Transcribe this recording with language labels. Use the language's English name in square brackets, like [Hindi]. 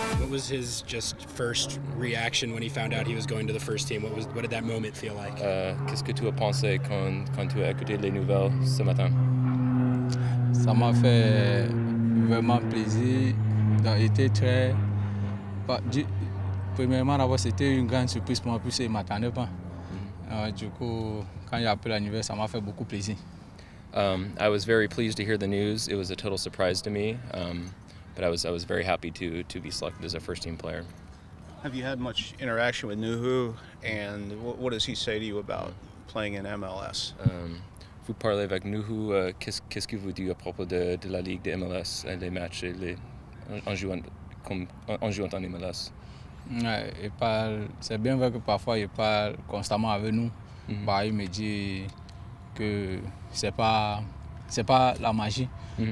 [English] was his just first reaction when he found out he was going to the first team? What did that moment feel like? [French] Qu'est-ce que tu as pensé quand tu as écouté les nouvelles ce matin? Ça m'a fait vraiment plaisir. J'étais très... Premièrement, d'abord, c'était une grande surprise pour moi, puisque je ne m'attendais pas. Du coup, quand j'ai appris la nouvelle, ça m'a fait beaucoup plaisir. [English] I was very pleased to hear the news. It was a total surprise to me. But I was very happy to be selected as a first team player. Have you had much interaction with Nuhu, and what does he say to you about playing in MLS? [French] Vous parlez avec Nuhu, qu'est-ce que vous dites à propos de la ligue de MLS et les matchs et les en jouant en MLS? Ouais, il parle, c'est bien vrai que parfois il parle constamment avec nous. Mm-hmm. Bah, il me dit que c'est pas la magie. Mm-hmm.